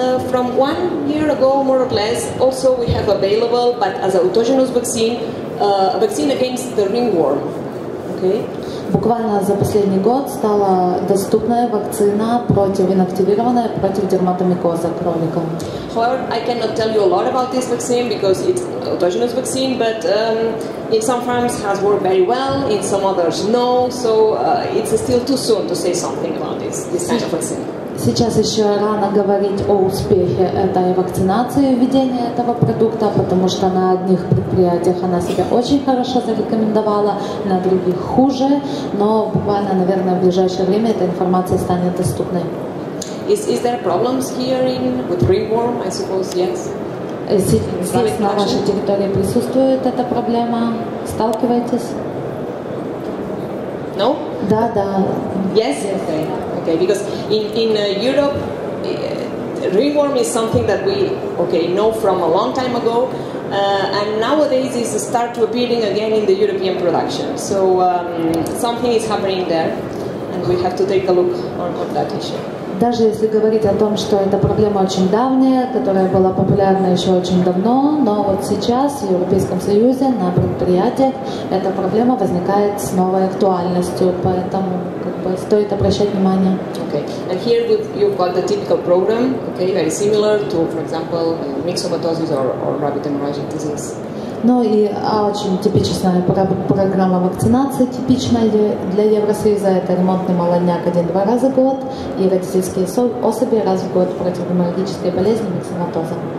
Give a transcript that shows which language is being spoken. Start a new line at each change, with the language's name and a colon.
English: From 1 year ago, more or less, also we have available, but as an autogenous vaccine, a vaccine against the ringworm. Okay.
Russian: Буквально за последний год стала доступная вакцина против инактивированная против дерматомикоза кроликов.
English: However, I cannot tell you a lot about this vaccine because it's autogenous vaccine, but in some farms has worked very well, in some others no, so it's still too soon to say something about this kind of vaccine.
Russian: Сейчас еще рано говорить о успехе этой вакцинации, введения этого продукта, потому что на одних предприятиях она себя очень хорошо зарекомендовала, на других хуже, но буквально, наверное, в ближайшее время эта информация станет доступной.
English: Is there problems here in with ringworm? I suppose yes.
Russian: Здесь на вашей территории присутствует эта проблема? Сталкиваетесь?
English: No?
Russian: Да, да.
English: Yes. Okay, because in Europe, ringworm is something that we know from a long time ago, and nowadays it starts appearing again in the European production. So something is happening there, and we have to take a look on that issue.
Russian: Даже если говорить о том, что эта проблема очень давняя, которая была популярна еще очень давно, но вот сейчас в Европейском Союзе на предприятиях эта проблема возникает с новой актуальностью, поэтому как бы стоит обращать внимание.
English: Okay. And here you've got the typical program, okay, very similar to, for example, myxomatosis or rabbit hemorrhagic disease.
Russian: Ну и очень типичная программа вакцинации, типичная для Евросоюза, это ремонтный молодняк 1-2 раза в год и родительские особи раз в год против геморрагической болезни миксоматоза.